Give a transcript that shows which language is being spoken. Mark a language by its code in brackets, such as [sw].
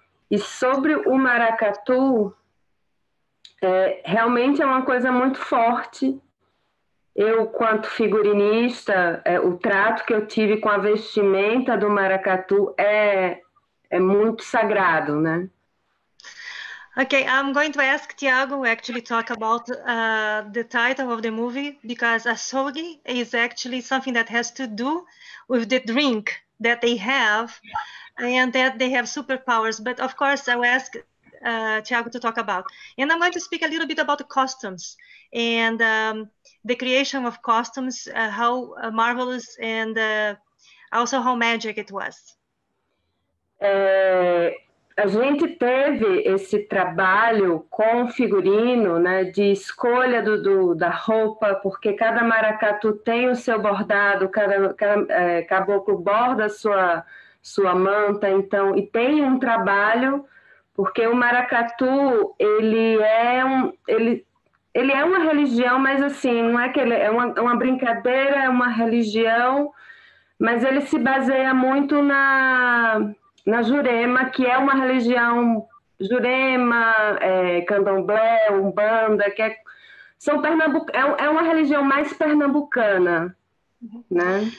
[pt] E sobre o maracatu, realmente é uma coisa muito forte. Eu, quanto figurinista, o trato que eu tive com a vestimenta do maracatu é muito sagrado, né? [en] Okay, I'm going to ask Tiago actually talk about the title of the movie because Azougue is actually something that has to do with the drink that they have and that they have superpowers. But of course, I'll ask Tiago to talk about. And I'm going to speak a little bit about the costumes and the creation of costumes, how marvelous and also how magic it was. [pt] A gente teve esse trabalho com figurino, né, de escolha da roupa, porque cada maracatu tem o seu bordado, cada caboclo borda sua manta, então, e tem um trabalho, porque o maracatu, ele é uma religião, mas assim, não é que ele é uma brincadeira, é uma religião, mas ele se baseia muito na Jurema, que é uma religião, Jurema, Candomblé, Umbanda, que são Pernambuco, é uma religião mais pernambucana, né?